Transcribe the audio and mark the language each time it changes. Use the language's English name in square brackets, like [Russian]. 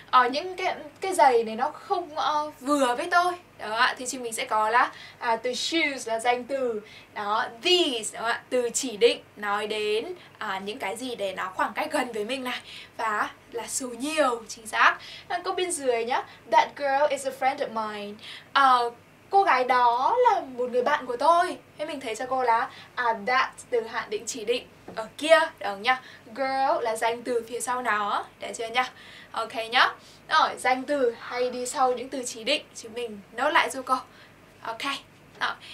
[Vietnamese] Những cái giày này nó không vừa với tôi. Đó ạ, thì chúng mình sẽ có là từ shoes là danh từ. Đó, these, đó ạ, từ chỉ định nói đến những cái gì để nó khoảng cách gần với mình này. Và là số nhiều, chính xác. Câu bên dưới nhá. [English] That girl is a friend of mine. [Vietnamese] Cô gái đó là một người bạn của tôi. Thế mình thấy cho cô là that từ hạn định chỉ định ở kia, đúng nhá. Girl là danh từ phía sau nó, để chưa nhá. Ok nhá. Rồi, danh từ hay đi sau những từ chỉ định, chúng mình nói lại cho cô. Ok. Rồi.